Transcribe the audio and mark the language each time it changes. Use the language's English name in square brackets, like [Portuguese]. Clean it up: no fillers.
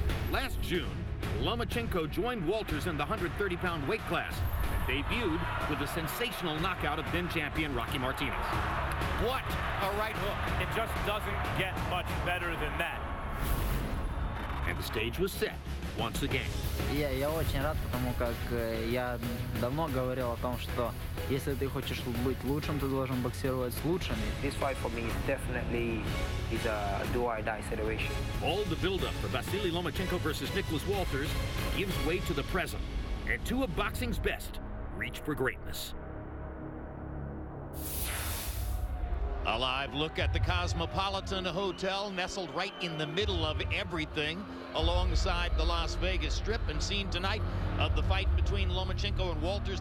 [English] Last June, Lomachenko joined Walters in the 130-pound weight class and debuted with a sensational knockout of then-champion Rocky Martinez. What a right hook. It just doesn't get much better than that. And the stage was set once again. [Russian] Я очень рад, потому как я давно говорил о том, что если ты хочешь быть лучшим, ты должен боксировать с лучшими. [English] This fight for me definitely is a do-or-die situation. All the build-up for Vasyl Lomachenko versus Nicholas Walters gives way to the present, and two of boxing's best reach for greatness. A live look at the Cosmopolitan Hotel, nestled right in the middle of everything, alongside the Las Vegas Strip, and seen tonight of the fight between Lomachenko and Walters.